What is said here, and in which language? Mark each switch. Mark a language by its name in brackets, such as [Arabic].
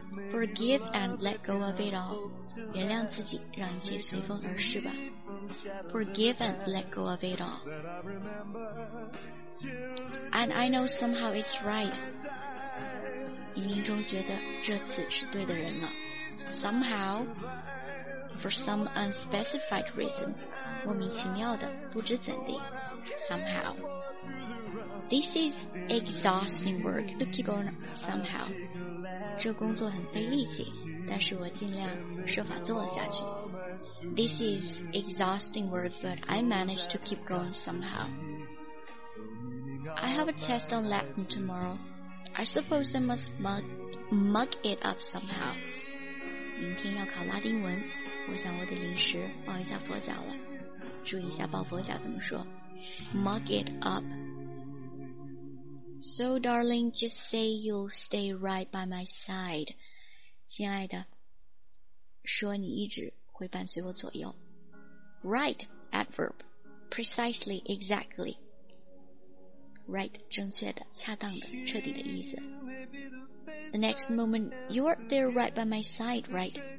[English] Forgive and let go of it all. [Chinese] 原谅自己，让一切随风而逝吧。 [English] Forgive and let go of it all. And I know somehow it's right. [Chinese] 冥冥中觉得这次是对的人了。 [English] Somehow, for some unspecified reason, [Chinese] 莫名其妙的，不知怎地。 [English] Somehow, this is exhausting work to keep on somehow. [Chinese] 这工作很费力气，但是我尽量设法做了下去。 [English] This is exhausting work, but I managed to keep going somehow. I have a test on Latin tomorrow. I suppose I must mug it up somehow. [Chinese] 明天要考拉丁文，我想我得临时抱一下佛脚了。注意一下抱佛脚怎么说。 [English] Mug it up. So darling, just say you'll stay right by my side. [Chinese] 亲爱的，说你一直会伴随我左右。 [English] Right, adverb. Precisely, exactly. Right, [Chinese] 正确的，恰当的，彻底的意思。 [English] The next moment, you're there right by my side, right?